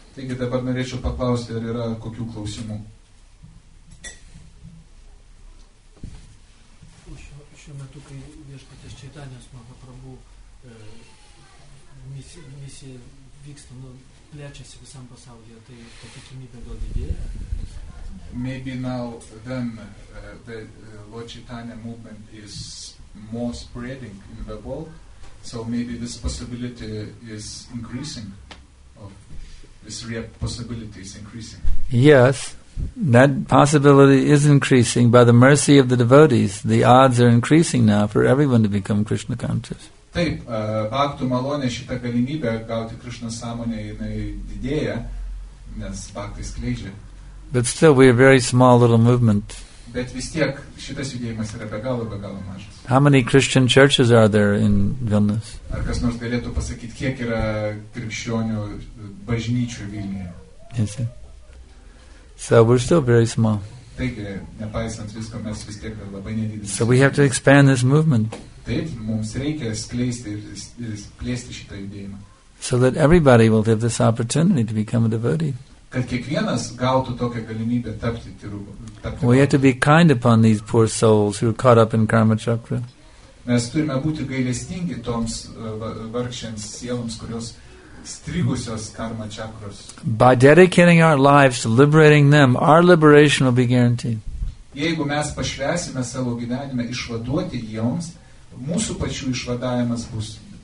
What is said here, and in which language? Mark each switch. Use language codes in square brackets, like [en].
[lt] Taigi dabar norėčiau paklausti, ar yra kokių klausimų. Šiuo metu, kai viešpatės Čaitanės Mahaprabhu misija vyksta, plečiasi visam pasaulyje, tai patikimybė gal didėja? [en] Maybe now then the Lord Chaitanya movement is more spreading in the world. So maybe this possibility is increasing, of this possibility is increasing. Yes, that possibility is increasing by the mercy of the devotees. The odds are increasing now for everyone to become Krishna conscious. [lt] Taip, bhaktų malonė šita galimybė gauti Krishna sąmonę jinai didėja, nes bhaktai skleidžia. [en] But still, we are a very small little movement. [lt] Bet vis tiek šitas judėjimas yra be galo mažas. [en] How many Christian churches are there in Vilnius? [lt] Ar kas nors galėtų pasakyti, kiek yra krikščionių bažnyčių Vilniuje? [en] Yes, sir. So we're still very small. [lt] Taigi, nepaisant visko, mes vis tiek labai nedidelis. [en] So we have to expand this movement. [lt] Taip, mums reikia skleisti ir plėsti šitą judėjimą. [en] So that everybody will have this opportunity to become a devotee. [lt] kad kiekvienas gautų tokią galimybę tapti tirubu. [en] We have to be kind upon these poor souls who are caught up in karma chakra. [lt] Mes turime būti gailestingi toms vargšėms sieloms, kurios strigusios karma chakros. [en] By dedicating our lives to liberating them, our liberation will be guaranteed. [lt] Jeigu mes pašvęsime savo gyvenime išvaduoti joms, mūsų pačių išvadavimas bus.